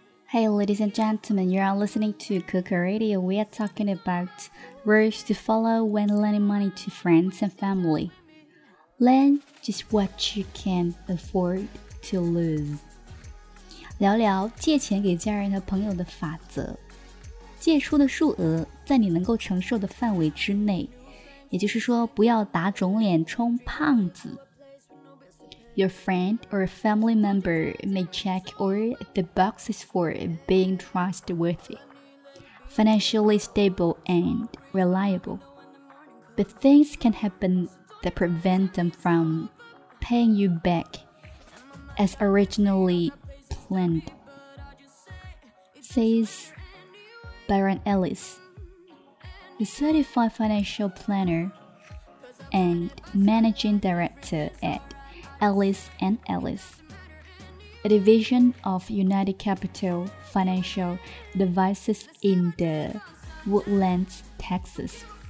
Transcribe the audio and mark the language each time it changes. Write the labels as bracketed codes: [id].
[en] Hey, ladies and gentlemen, you are listening to Kuku Radio. We are talking about rules to follow when lending money to friends and family. Lend just what you can afford to lose. [zh] 聊聊借钱给家人和朋友的法则。借出的数额在你能够承受的范围之内，也就是说不要打肿脸充胖子。 [en] Your friend or family member may check or the boxes for being trustworthy, financially stable and reliable. But things can happen that prevent them from paying you back as originally planned, says Byron Ellis, a certified financial planner and managing director atEllis and Ellis, a division of United Capital Financial Devices in the Woodlands, Texas.